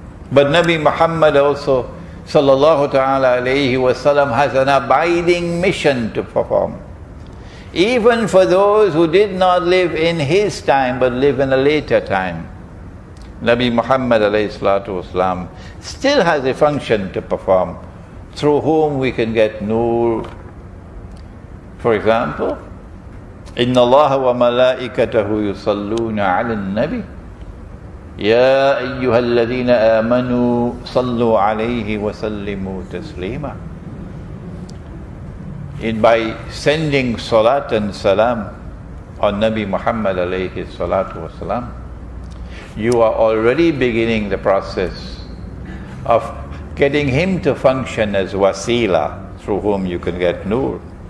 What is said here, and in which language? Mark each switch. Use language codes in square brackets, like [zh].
[en] But Nabi Muhammad also, sallallahu ta'ala alayhi wa sallam, has an abiding mission to perform. Even for those who did not live in his time but live in a later time, Nabi Muhammad alayhi salatu wasalam still has a function to perform through whom we can get Noor. For example, [ar] إِنَّ اللَّهَ وَمَلَائِكَتَهُ يُصَلُّونَ عَلَى النَّبِيِّ يَا أَيُّهَا الَّذِينَ آمَنُوا صَلُّوا عَلَيْهِ وَسَلِّمُوا تَسْلِيمًا. [en] By sending salat and salam on Nabi Muhammad alayhi salatu wasalam, you are already beginning the process of getting him to function as wasila through whom you can get Noor.